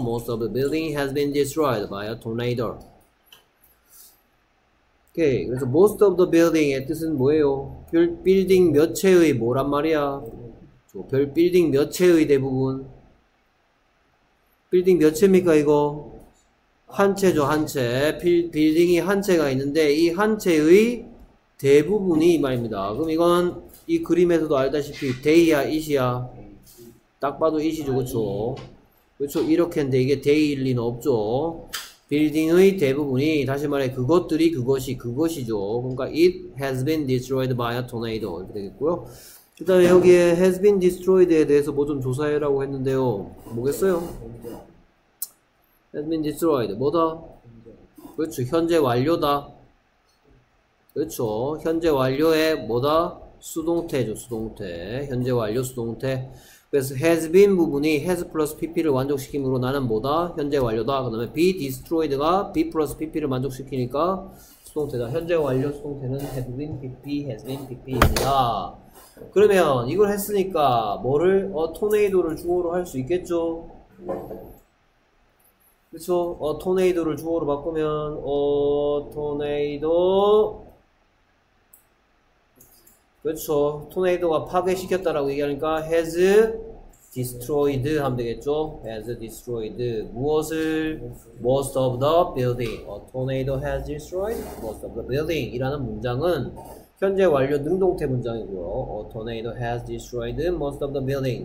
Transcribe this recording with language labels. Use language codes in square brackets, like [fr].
[en] most of the building has been destroyed by a tornado. [ko] 오케이. 그래서 [en] most of the building [ko] 의 뜻은 뭐예요? 빌딩 몇 채의 뭐란 말이야? 별 빌딩 몇 채의 대부분? 빌딩 몇 채입니까, 이거? 한 채죠, 한 채. 빌딩이 한 채가 있는데, 이한 채의 대부분이 이 말입니다. 그럼 이건 이 그림에서도 알다시피, they야, it이야? 딱 봐도 it이죠, 그쵸? 그쵸? 이렇게인데, 이게 they일 리는 없죠? 빌딩의 대부분이, 다시 말해, 그것들이 그것이, 그것이죠. 그러니까, [en] it has been destroyed by a tornado. [ko] 이렇게 되겠고요. 그 다음에 여기에 [en] has been destroyed [ko] 에 대해서 뭐좀 조사해라고 했는데요. 뭐겠어요? has been destroyed. 뭐다? 그렇죠. 현재 완료다. 그렇죠. 현재 완료에 뭐다? 수동태죠. 수동태. 현재 완료, 수동태. 그래서 has been 부분이 has plus pp를 완족시키므로 나는 뭐다? 현재 완료다. 그 다음에 be destroyed가 be plus pp를 완족시키니까 수동태다. 현재 완료 수동태는 have been pp, has been pp입니다. 그러면 이걸 했으니까 뭐를? tornado를 주어로 할수 있겠죠? 그쵸? tornado를 주어로 바꾸면 tornado 그쵸? tornado가 파괴시켰다라고 얘기하니까 [en] has destroyed [ko] 하면 되겠죠? [en] has destroyed [ko] 무엇을? [en] most of the building. a tornado has destroyed most of the building. [ko] 이라는 문장은 현재 완료 능동태 문장이고요. [en] a tornado has destroyed most of the building.